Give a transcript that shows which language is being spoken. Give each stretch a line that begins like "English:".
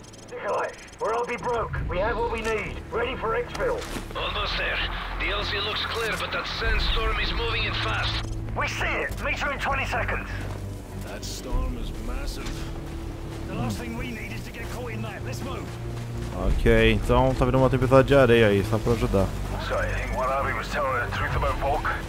English: Nikolai, we're all be broke. We have what we need. Ready for exfil. Almost there. The LZ looks clear, but that sandstorm is moving it fast. We see it! Meet you in 20 seconds. That storm is massive. The last thing we need is to get caught in that. Let's move.
Portuguese: Ok, então tá vindo uma tempestade de areia aí, só pra ajudar.
English: So, I think Warabi was telling the truth about Volk.